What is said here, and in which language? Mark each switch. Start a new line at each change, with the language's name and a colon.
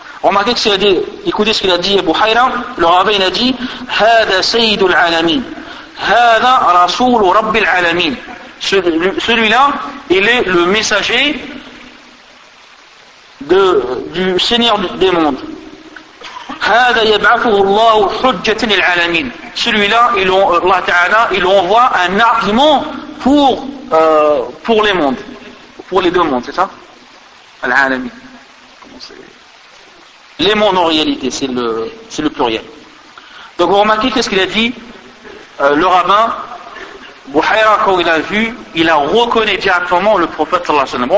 French: Remarquez ce qu'il a dit, écoutez ce qu'il a dit Buhayra, le rabbin a dit,
Arabic: هذا سيد العالمين, هذا رسول رب العالمين.
French: Celui-là, il est le messager du Seigneur des mondes.
Arabic: هذا يبعثه الله حجة للعالمين.
French: Celui-là, Allah Ta'ala, il envoie un argument pour les mondes. Pour les deux mondes, c'est ça? Al-alamin. Les mondes en réalité, c'est le pluriel. Donc vous remarquez qu'est-ce qu'il a dit le rabbin Buhayra, quand il a vu, il a reconnu directement le prophète sallallahu alayhi wa sallam.